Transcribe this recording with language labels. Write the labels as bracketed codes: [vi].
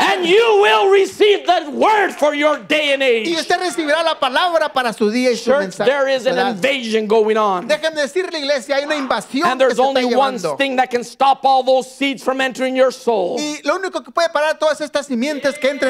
[en] and you will receive the word for your day and age. [es] Y usted recibirá la palabra para su día y su [en] Church, [es] mensaje. [en] There is an invasion going on. [es] Déjenme decirle, iglesia, hay una invasión. [en] And there's only one thing that can stop all those seeds from entering your soul. [es] Y lo único que puede parar todas estas simientes que entren